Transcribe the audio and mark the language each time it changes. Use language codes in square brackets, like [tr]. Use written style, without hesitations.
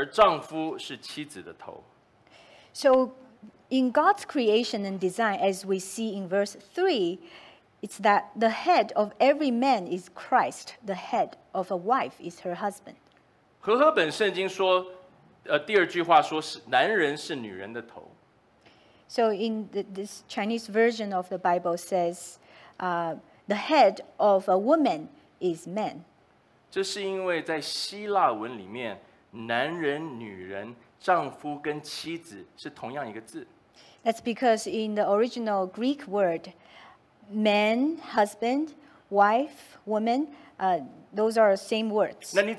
[zh] 神在创造男女之的这个秩序和设计当中，我们看见弟兄姐妹第三节说，男人基督是男人的头，而丈夫是妻子的头。So [en] in God's creation and design, as we see in verse 3, it's that the head of every man is Christ. The head of a wife is her husband. [zh] 和合本圣经说, 第二句话说是男人是女人的头。 [en] So in this Chinese version of the Bible says, the head of a woman is man. [zh] 这是因为在希腊文里面, 男人、女人、丈夫跟妻子是同样一个字。 [en] That's because in the original Greek word, man, husband, wife, woman, those are the same words.